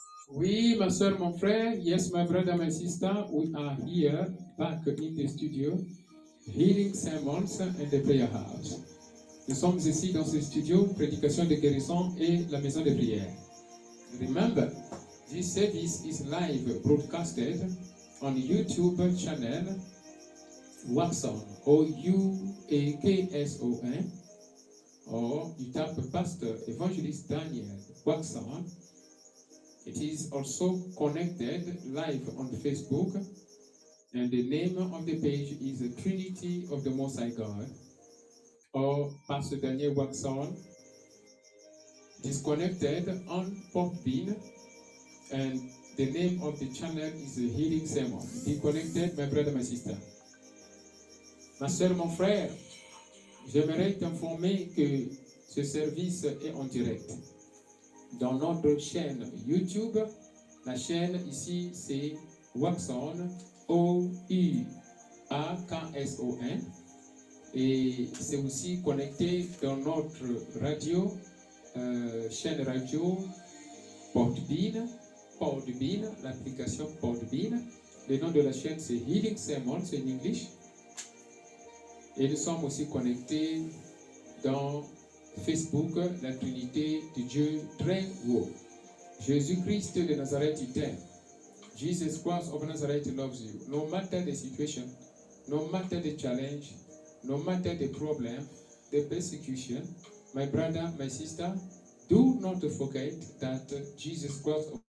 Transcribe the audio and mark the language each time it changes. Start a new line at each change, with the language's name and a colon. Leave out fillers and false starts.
French: Oui, ma soeur, mon frère.
English: Yes, my brother, my sister. We are here, back in the studio, Healing Sermons and the Prayer House.
French: Nous sommes ici dans ce studio, prédication de guérison et la maison de prière.
English: Remember, this service is live broadcasted on YouTube channel Waxon, O-U-A-K-S-O-N, or you tap Pastor Evangelist Daniel Waxon. It is also connected live on Facebook, and the name of the page is the Trinity of the Most High God, or Pastor Daniel Waxon. It is connected on Podbean, and the name of the channel is the Healing Sermon. Be connected, my brother, my sister.
French: Ma soeur, mon frère, j'aimerais t'informer que ce service est en direct. Dans notre chaîne YouTube, la chaîne ici c'est Waxon, O-U-A-K-S-O-N, et c'est aussi connecté dans notre radio, chaîne radio Podbean, l'application Podbean. Le nom de la chaîne c'est Healing Sermon, c'est en anglais, et nous sommes aussi connectés dans Facebook, la Trinité de Dieu très haut. Jésus-Christ de Nazareth t'aime.
English: Jesus Christ of Nazareth loves you. No matter the situation, no matter the challenge, no matter the problem, the persecution, my brother, my sister, do not forget that Jesus Christ of